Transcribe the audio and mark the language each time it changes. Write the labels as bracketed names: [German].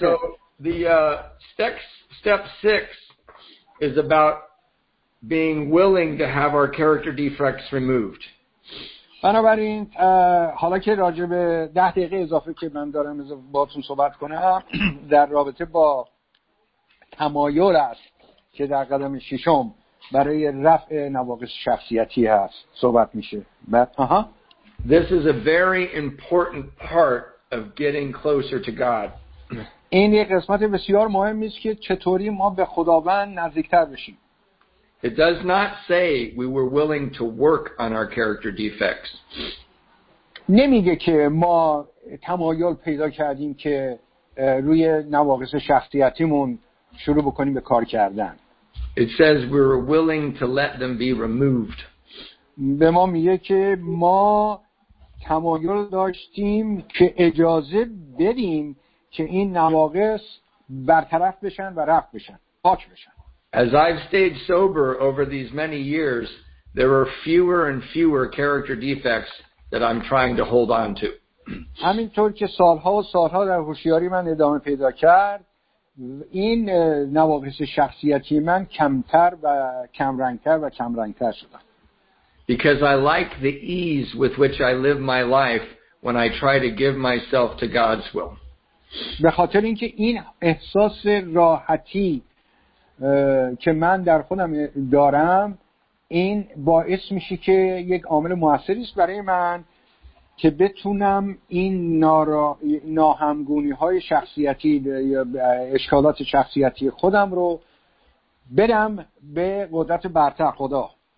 [English] So, the step 6 is about being willing to have our character defects removed. [Persian] بنابراین حالا که راجع به 10 دقیقه اضافه که من دارم باهاتون صحبت کنم در رابطه با تمایل است که در قدم ششم برای رفع نواقص شخصیتی هست صحبت میشه. [English] This is a very important part of getting closer to God. [Persian] این یک قسمت بسیار مهمی است که چطوری ما به خداوند نزدیکتر بشیم. [English] It does not say we were willing to work on our character defects. [Persian] نمیگه که ما تمایل پیدا کردیم که روی نواقص شخصیتیمون شروع بکنیم به کار کردن. [English] It says we were willing to let them be removed. [Persian] به ما میگه که ما تمایل داشتیم که اجازه بدیم که این نواقص برطرف بشن و رفع بشن، پاک بشن. [English] As I've stayed sober over these many years, there are fewer and fewer character defects that I'm trying to hold on to. [Persian] همینطور که سالها و سالها در هوشیاری من ادامه پیدا کرد، این نواقص شخصیتی من کمتر و کمرنگتر و کمرنگتر شدن. [English] Because I like the ease with which I live my life when I try to give myself to God's will. [Persian] به خاطر اینکه این احساس راحتی که من در خودم دارم این باعث میشه که یک عامل موثری است برای من که بتونم این ناهمگونی های شخصیتی یا اشکالات شخصیتی خودم رو بدم به قدرت برتر خدا.